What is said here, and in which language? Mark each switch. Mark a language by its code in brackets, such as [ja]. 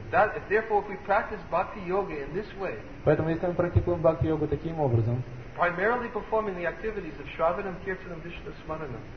[en] That, therefore, if we practice bhakti yoga in this way, [ru] поэтому если мы практикуем бхакти йогу таким образом, [en] primarily performing the activities of shravanam, kirtanam, vishnu smaranam,